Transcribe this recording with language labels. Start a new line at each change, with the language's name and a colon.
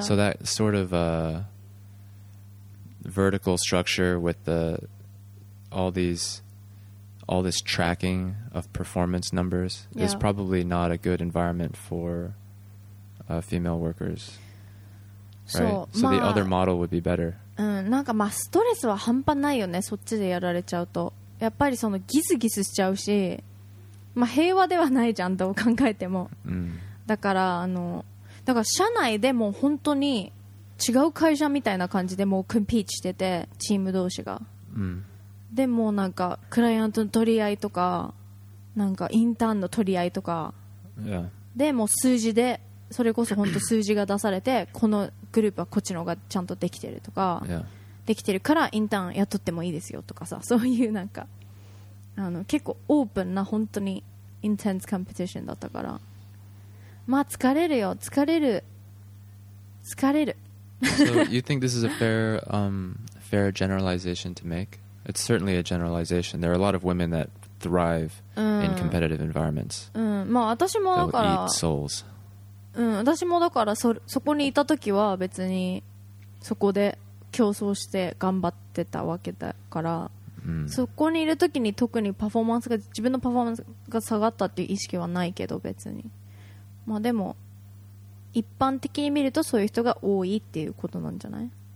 English: So that sort of vertical structure with all this tracking of performance numbers is probably not a good environment for female workers. Right? So the other model would be better.
Japanese: ストレスは半端ないよね、そっちでやられちゃうと。やっぱりそのギスギスしちゃうし、平和ではないじゃんと考えても、だから社内でも本当に違う会社みたいな感じでもうコンピーチしてて、チーム同士が、でもなんかクライアントの取り合いとか、なんかインターンの取り合いとか、でもう数字で、それこそ本当数字が出されて、このグループはこっちの方がちゃんとできてるとか、できてるからインターン雇ってもいいですよとかさ、そういうなんか結構オープンな本当にインテンスコンペティションだったから、疲れるよ、疲れる。
English: So you think this is a fair, fair generalization to make? It's certainly a generalization. There are a lot of women that thrive in competitive environments. I'm also, so,
Japanese: そこにいた時は別にそこで競争して頑張ってたわけだから、そこにいる時に特にパフォーマンスが自分のパフォーマンスが下がったっていう意識はないけど別に、でも一般的に見るとそういう人が多いっていうことなんじゃない？